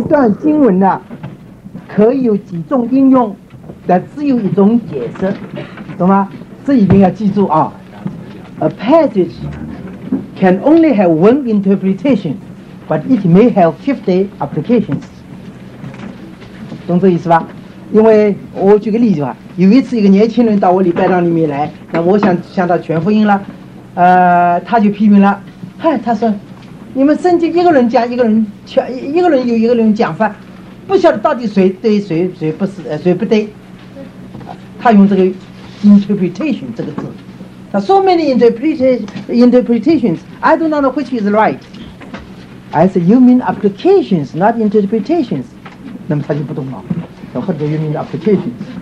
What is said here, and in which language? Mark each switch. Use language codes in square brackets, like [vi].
[zh] 段经文呢，可以有几种应用，但只有一种解释，懂吗？这一定要记住啊。 [en] A passage can only have one interpretation, but it may have 50 applications. [zh] 懂这意思吧？因为我举个例子吧，有一次一个年轻人到我礼拜堂里面来，那我想向他传福音了，他就批评了，嗨，他说，你们圣经一个人讲，一个人讲，一个人有一个人讲法，不晓得到底谁对谁，谁不是，谁不对。他用这个 interpretation 这个字。 [en] Now, so many interpretations, I do not know which is right. I said, you mean applications, not interpretations. [zh] 那么他就不懂了。 [en] What do you mean applications?